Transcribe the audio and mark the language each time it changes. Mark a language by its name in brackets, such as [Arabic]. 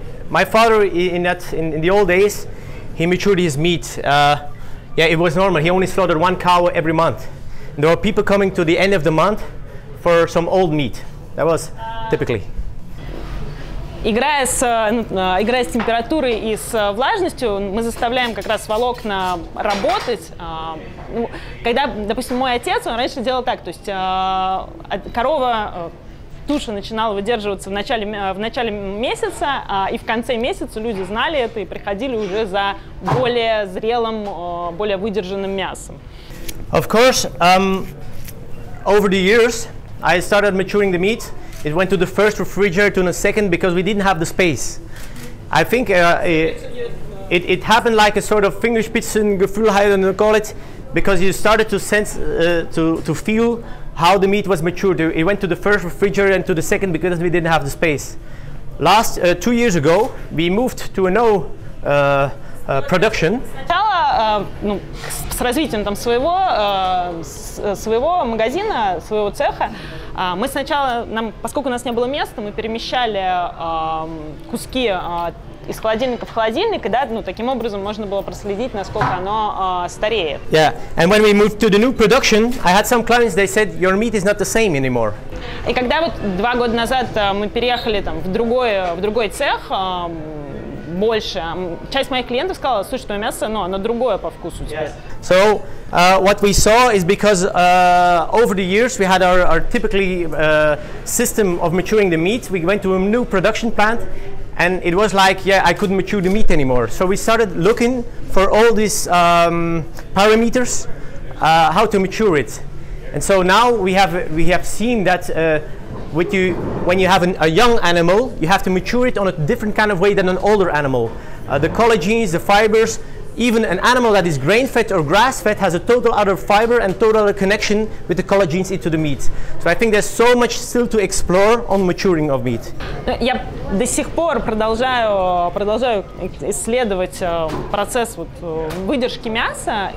[English] My father in the old days, he matured his meat. It was normal. He only slaughtered one cow every month. There were people coming to the end of the month for some old meat. That was typically. [Russian] Играя с температурой и с влажностью, мы заставляем как раз волокна работать. Когда, допустим, мой отец, он раньше делал так, то есть корова, туша начинала выдерживаться в начале месяца, и в конце месяца люди знали это и приходили уже за более зрелым, более выдержанным мясом. [English] Of course, over the years, I started maturing the meat. It went to the first refrigerator and the second because we didn't have the space. I think it happened like a sort of Fingerspitzengefühl, how you call it, because you started to sense, to feel how the meat was matured. It went to the first refrigerator and to the second because we didn't have the space. Last, 2 years ago, we moved to a production. [Russian] Сначала, с развитием там своего магазина, своего цеха, мы сначала, нам, поскольку у нас не было места, мы перемещали куски из холодильника в холодильник, и, да, ну, таким образом можно было проследить, насколько оно стареет. [English] Yeah, and when we moved to the new production, I had some clients, they said, your meat is not the same anymore. [Russian] И когда вот 2 года назад мы переехали там в другой цех, больше. Часть моих клиентов сказала, слушай, твое мясо, оно другое по вкусу теперь. [English] Yes. So, what we saw is because over the years we had our typically system of maturing the meat, we went to a new production plant And it was like, yeah, I couldn't mature the meat anymore. So we started looking for all these parameters, how to mature it. And so now we have seen that when you have a young animal, you have to mature it on a different kind of way than an older animal. The collagens, the fibers, even an animal that is grain-fed or grass-fed has a total other fiber and total other connection with the collagens into the meat. So I think there's so much still to explore on maturing of meat. [Russian] Я до сих пор продолжаю исследовать процесс выдержки мяса.